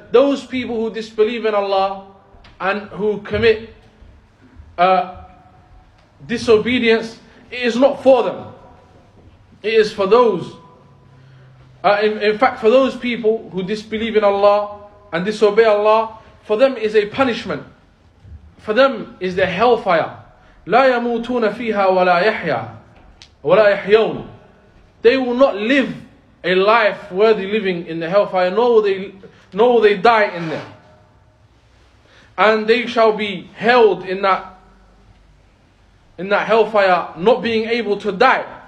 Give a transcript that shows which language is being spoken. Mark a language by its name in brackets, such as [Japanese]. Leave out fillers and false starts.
[English] Those people who disbelieve in Allah and who commit disobedience, it is not for them. It is for those, in fact for those people who disbelieve in Allah and disobey Allah, for them is a punishment. For them is the hellfire. [Arabic] لا يموتون فيها ولا يحيا ولا يحيون. [English] They will not live a life worthy living in the hellfire, nor will they die in there. And they shall be held in that hellfire, not being able to die.